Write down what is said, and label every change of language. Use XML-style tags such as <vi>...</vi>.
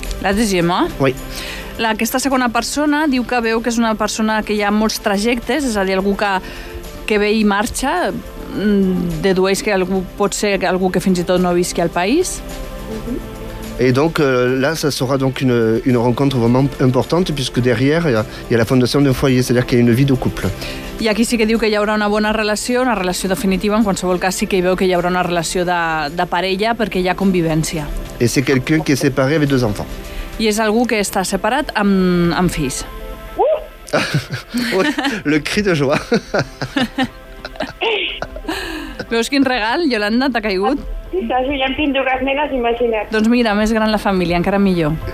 <fr>La deuxième, eh? Oui.</fr> <ca>Aquesta segona persona diu que veu que és una persona que hi ha molts trajectes, és a dir, algú que ve i marxa, dedueix que algú pot ser algú que fins i tot no visqui al país.</ca> <fr>Et donc là, ça sera donc une rencontre vraiment importante, puisque derrière, il y a la fondation d'un foyer, c'est-à-dire qu'il y a une vie de couple.</fr> <ca>I aquí sí que diu que hi haurà una bona relació, una relació definitiva, en qualsevol cas sí que hi veu que hi haurà una relació de parella, perquè hi ha convivència.</ca> <fr>Et c'est quelqu'un qui est séparé avec deux enfants.</fr> <ca>I és algú que està separat amb fills.</ca> <fr>Le cri de joie.</fr> <ca>Veus quin regal, Yolanda, t'ha caigut? Sí, ja en tinc dues nenes, imagina't. Doncs mira, més gran la família, encara millor.</ca>